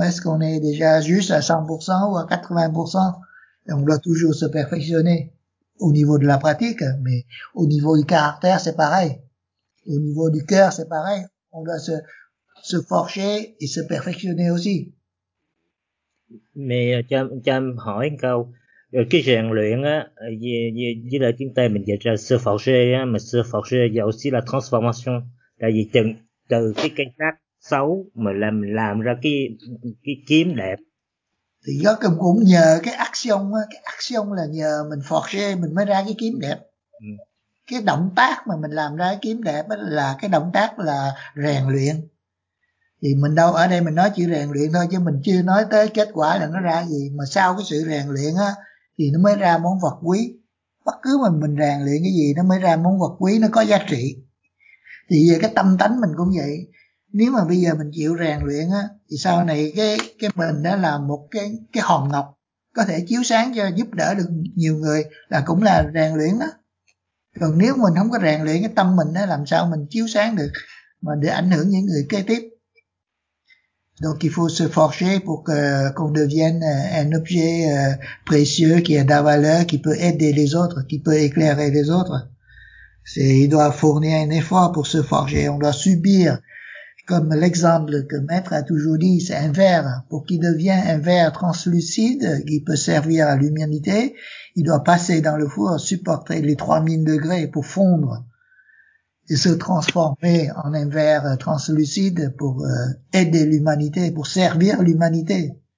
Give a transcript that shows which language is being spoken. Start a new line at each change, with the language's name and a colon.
French: Est-ce qu'on est déjà juste à 100% ou à 80%? Et on doit toujours se perfectionner. Au niveau de la pratique, mais au niveau du caractère, c'est pareil. Au niveau du cœur, c'est pareil. On doit se forger et se perfectionner aussi.
Vietnamese: Mais cho em hỏi một câu, cái rèn luyện á, với lại tiếng Tây mình dịch ra se forger á, mà se forger là
French: aussi la transformation.
Vietnamese: Tại vì từ cái cây sắt xấu mà làm ra cái kiếm đẹp. Thì nó cũng nhờ cái action á, cái action là nhờ mình forger mình mới ra cái kiếm đẹp. Cái động tác mà mình làm ra cái kiếm đẹp là cái động tác là rèn luyện. Thì mình đâu ở đây mình nói chỉ rèn luyện thôi chứ mình chưa nói tới kết quả là nó ra gì. Mà sau cái sự rèn luyện á thì nó mới ra món vật quý. Bất cứ mà mình rèn luyện cái gì nó mới ra món vật quý, nó có giá trị. Thì cái tâm tánh mình cũng vậy. Nếu mà bây giờ mình chịu rèn luyện á thì sau này cái mình đó là một cái hòn ngọc có thể chiếu sáng cho giúp đỡ được nhiều người là cũng là rèn luyện đó. Còn nếu mình không có rèn luyện cái tâm mình đó, làm sao mình chiếu sáng được mà để ảnh hưởng những người kế tiếp.
French: Donc il faut se forger pour qu'on devienne un objet précieux qui a de valeur, qui peut aider les autres, qui peut éclairer les autres. C'est, il doit fournir un effort pour se forger, on doit subir. Comme l'exemple que Maître a toujours dit, c'est un verre. Pour qu'il devienne un verre translucide qui peut servir à l'humanité, il doit passer dans le four, supporter les 3000 degrés pour fondre et se transformer en un verre translucide pour aider l'humanité, pour servir l'humanité.